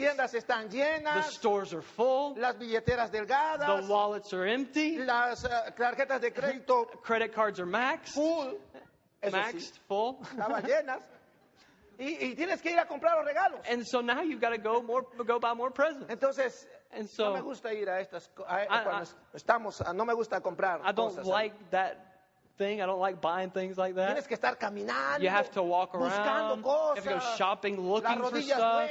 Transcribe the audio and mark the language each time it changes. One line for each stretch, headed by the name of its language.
Spanish: Las tiendas están llenas.
English: The stores are full.
Spanish: Las billeteras delgadas.
English: The wallets are empty.
Spanish: Las tarjetas de crédito.
English: Credit cards are maxed. Full. Maxed,
Spanish: sí.
English: Full.
Spanish: Estaban llenas. Y tienes que ir a comprar los regalos.
English: And so now you've got to go buy more presents.
Spanish: Entonces,
English: and so,
Spanish: no me gusta ir a estas estamos, no me gusta comprar
English: I don't
Spanish: cosas,
English: like
Spanish: ¿sabes?
English: That thing. I don't like buying things like that.
Spanish: Tienes que estar caminando.
English: You have to walk around.
Spanish: Buscando cosas.
English: You have to go shopping looking for stuff.